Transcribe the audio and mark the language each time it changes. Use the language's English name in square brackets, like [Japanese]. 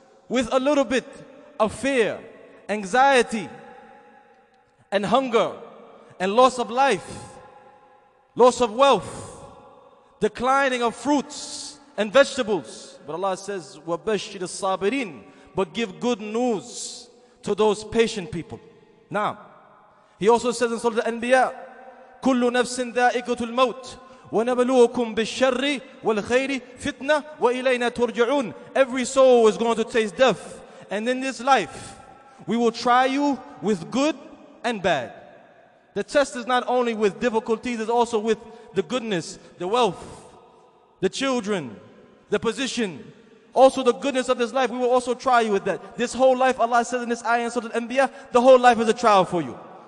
[English] With a little bit of fear, anxiety, and hunger, and loss of life, loss of wealth, declining of fruits and vegetables. But Allah says, [Arabic] وَبَشِّرِ الصَّابِرِينَ. [English] But give good news to those patient people. Now, He also says in Surah Al-Anbiya, [Arabic] كُلُّ نَفْسٍ ذَائِقَةُ الْمَوْتِ وَنَبَلُوكُمْ بِالشَّرِّ وَالْخَيْرِ فِتْنَةً وَإِلَيْنَا تُرْجِعُونَ. [English] Every soul is going to taste death. And in this life, we will try you with good and bad. The test is not only with difficulties, it's also with the goodness, the wealth, the children, the position. Also the goodness of this life, we will also try you with that. This whole life, Allah says in this ayah in Surah Al-Anbiya, the whole life is a trial for you.